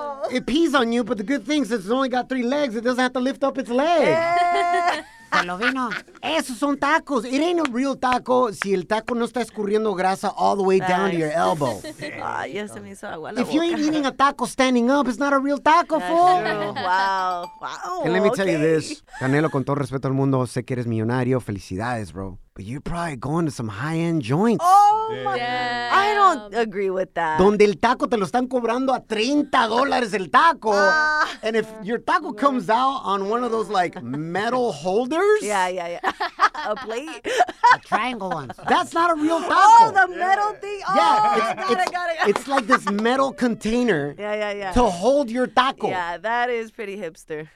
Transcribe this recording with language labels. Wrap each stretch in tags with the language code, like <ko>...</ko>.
<en>It pees on you, but the good thing is it's only got three legs. It doesn't have to lift up its leg.</en> <es>Esos son tacos.</es> <en>It ain't a real taco</en> <es>si el taco no está escurriendo grasa</es> <en>all the way down to your elbow. If you ain't eating a taco standing up, it's not a real taco, fool. Wow. And let me tell you this.</en> <es>Canelo, con todo respeto al mundo, sé que eres millonario. Felicidades, bro.</es> <en>But you're probably going to some high-end joints. I don't agree with that.</en> <es>Donde el taco te lo están cobrando a $30 el taco.</es> <en>And if your taco comes out on one of those, like, metal holders. Yeah. A plate. A triangle one. That's not a real taco. Oh, the metal thing. Oh, yeah, I got it. It's like this metal container to hold your taco. Yeah, that is pretty hipster.</en>